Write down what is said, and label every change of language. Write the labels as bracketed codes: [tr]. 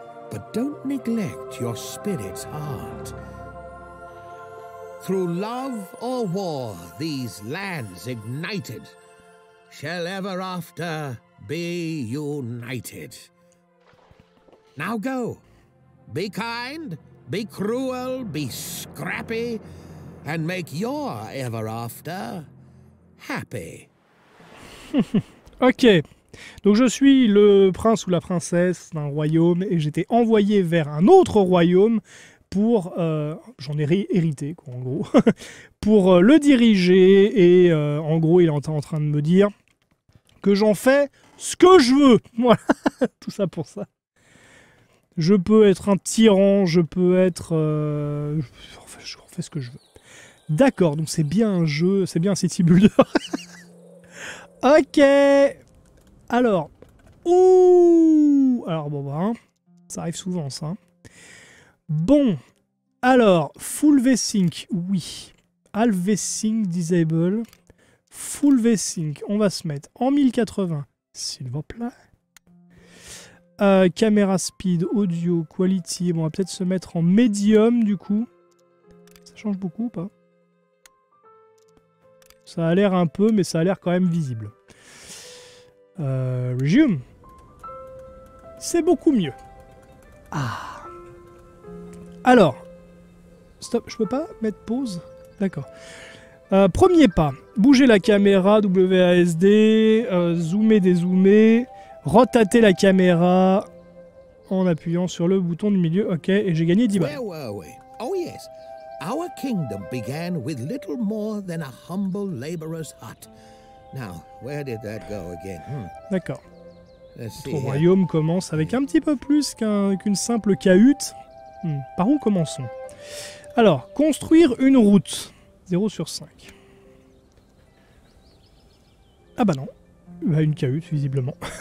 [en] But don't neglect your spirit's heart. Through love or war, these lands ignited shall ever after be united. Now go. Be kind, be cruel, be scrappy, and make your ever after happy. Ok. [fr] Donc je suis le prince ou la princesse d'un royaume et j'étais envoyé vers un autre royaume pour, j'en ai hérité quoi, en gros, pour le diriger et en gros il est en train de me dire que j'en fais ce que je veux. Voilà, tout ça pour ça. Je peux être un tyran, je peux être... je fais ce que je veux. D'accord, donc c'est bien un jeu, c'est bien un City Builder. Ok. Alors, ouh, alors bon, bah, hein, ça arrive souvent, ça. Bon, alors, full V-Sync, oui. [en] Half V-Sync disable. [fr] Full V-Sync, on va se mettre en 1080, s'il vous plaît. [en] Caméra speed, audio, quality. [fr] Bon, on va peut-être se mettre en medium, du coup. Ça change beaucoup ou pas? Ça a l'air un peu, mais ça a l'air quand même visible. Resume. C'est beaucoup mieux. Ah. Alors. Stop, je peux pas mettre pause? D'accord. Premier pas. Bouger la caméra, WASD, zoomer, dézoomer, rotater la caméra en appuyant sur le bouton du milieu. Ok, et j'ai gagné 10 balles. [en] Where were we? Oh yes. Our kingdom began with little more than a humble laborer's hut. Now, where did that go again? [fr] D'accord. Notre royaume commence avec un petit peu plus qu'une simple cahute. Par où commençons? Alors, construire une route. 0 sur 5. Ah bah non. Bah une cahute, visiblement.